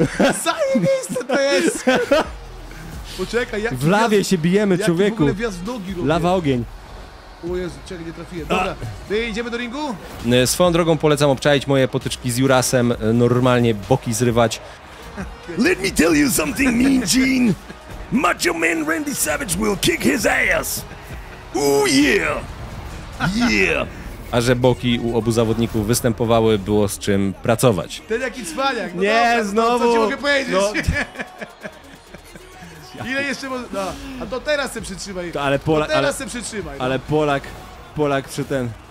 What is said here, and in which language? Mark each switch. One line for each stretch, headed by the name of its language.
Polish: Zajebiste to jest! Poczekaj, jak... W lawie się bijemy, człowieku! Jaki w ogóle wjazd w nogi robię? Lawa, ogień! O Jezu, czekaj, nie trafiłem. Dobra, idziemy do ringu? Swoją drogą polecam obczaić moje potyczki z Jurasem, normalnie boki zrywać.
English: Let me tell you something, Mean Gene. Macho man Randy Savage will kick his ass. Ooh yeah. Yeah.
Polish: A że boki u obu zawodników występowały, było z czym pracować. Ten jaki cwaniak. No nie, dobra, znowu. No, co ci mogę powiedzieć? No. Ile jeszcze może... No, a to teraz se przytrzymaj. Ale Polak... Teraz se przytrzymaj. Ale Polak... Polak przy ten...